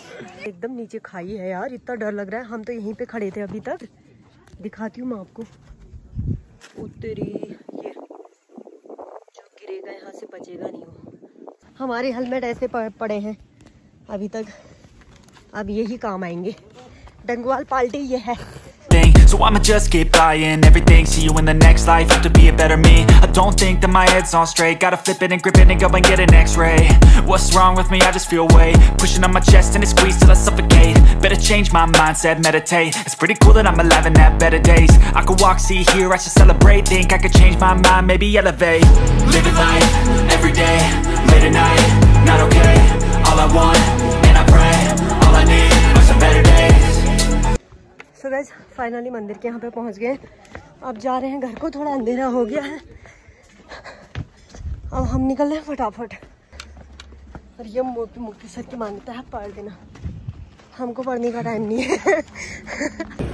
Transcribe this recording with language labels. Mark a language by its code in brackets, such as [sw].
[hi] एकदम नीचे खाई है यार, इतना डर लग रहा है, हम तो यहीं पे खड़े थे अभी तक। दिखाती हूँ मैं आपको, उतरी ये जो गिरेगा यहाँ से बचेगा नहीं। हो हमारे हेलमेट ऐसे पड़े हैं अभी तक, अब यही काम आएंगे, डंगवाल पाल्टी ये है। [en] So I'ma just keep buying everything. See you in the next life. Have to be a better me. I don't think that my head's on straight. Gotta flip it and grip it and go and get an x-ray. What's wrong with me? I just feel weight pushing on my chest and it squeezes till I suffocate. Better change my mindset, meditate. It's pretty cool that I'm alive and have better days. I could walk, see, hear, I should celebrate. Think I could change my mind, maybe elevate. Living life, every day, late at night, not okay. All I want, and I pray. All I need are some better days. [hi] So guys, finally मंदिर के यहाँ पे पहुँच गए, अब जा रहे हैं घर को। थोड़ा अंधेरा हो गया है, अब हम निकल रहे हैं फटाफट। और ये मुक्ति सर की मान्यता है पढ़ देना, हमको पढ़ने का टाइम नहीं है।